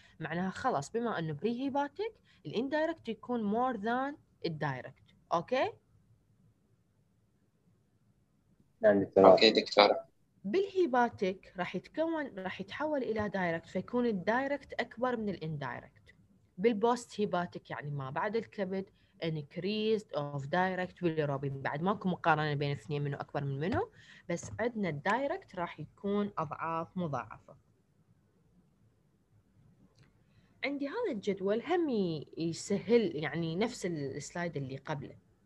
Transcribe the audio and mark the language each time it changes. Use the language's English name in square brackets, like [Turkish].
[Arabic] معناها خلاص بما أنه بري هيباتيك الاندايركت يكون مور ذان الدايركت. أوكي؟ أوكي دكتورة. بالهيباتيك راح يتكون راح يتحول إلى دايركت، فيكون الدايركت أكبر من الاندايركت. بالبوست هيباتيك يعني ما بعد الكبد [English] increased of direct bilirubin. [Arabic] بعد ماكو مقارنة بين اثنين منه أكبر من منه، بس عندنا الدايركت راح يكون أضعاف مضاعفة. عندي هذا الجدول هم يسهل يعني نفس السلايد اللي قبله.